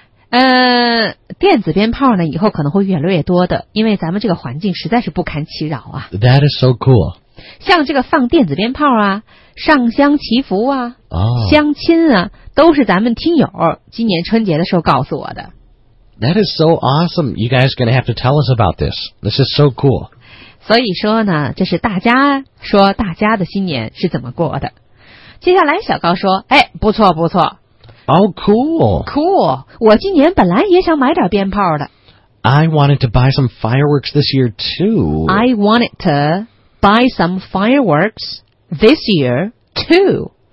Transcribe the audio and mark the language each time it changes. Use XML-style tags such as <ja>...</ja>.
<zh>电子鞭炮呢以后可能会越来越多的因为咱们这个环境实在是不堪其扰啊</zh> <en>That is so cool</en> <zh>像这个放电子鞭炮啊上香祈福啊、 oh. 相亲啊都是咱们听友今年春节的时候告诉我的</zh> <en>That is so awesome You guys are going to have to tell us about this This is so cool</en> <zh>所以说呢这是大家说大家的新年是怎么过的接下来小高说哎不错不错</zh> <en>Oh, cool. Cool.</en> <zh>我今年本来也想买点鞭炮的。</zh> <en>I wanted to buy some fireworks this year, too. I wanted to buy some fireworks this year, too.</en>